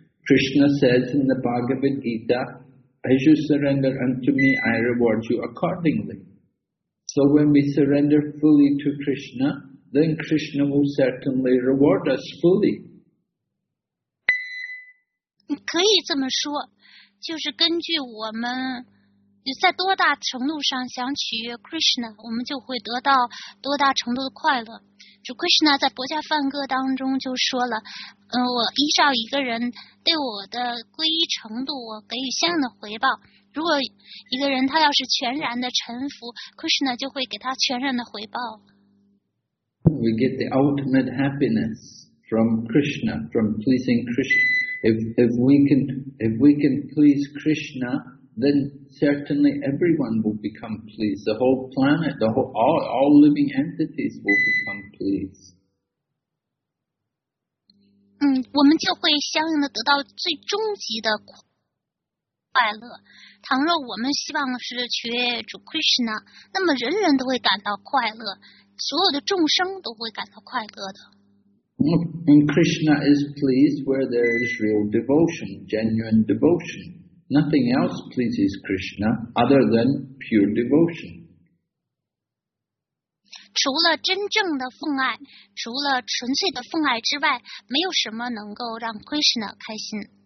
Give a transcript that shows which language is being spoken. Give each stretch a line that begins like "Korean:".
English: Krishna says in the Bhagavad Gita, as you surrender unto me, I reward you accordingly. So when we surrender fully to Krishna,Then Krishna will certainly reward us fully.
Chinese: 可以这么说，就是根据我们在多大程度上想取悦 Krishna， 我们就会得到多大程度的快乐。主 Krishna 在《薄伽梵歌》当中就说了，我依照一个人对我的皈依程度，我给予相应的回报。如果一个人他要是全然的臣服 ，Krishna 就会给他全然的回报。
English: We get the ultimate happiness from Krishna, from pleasing Krishna. If we can please Krishna, then certainly everyone will become pleased. The whole planet, all living entities will become pleased.
Chinese: 我们就会相应的得到最终极的快乐。倘若我们希望是取悦主 Krishna， 那么人人都会感到快乐，所有的众生都会感到快乐的。
English: And Krishna is pleased where there is real devotion, genuine devotion. Nothing else pleases Krishna other than pure devotion.
Chinese: 除了真正的奉爱，除了纯粹的奉爱之外，没有什么能够让 Krishna 开心。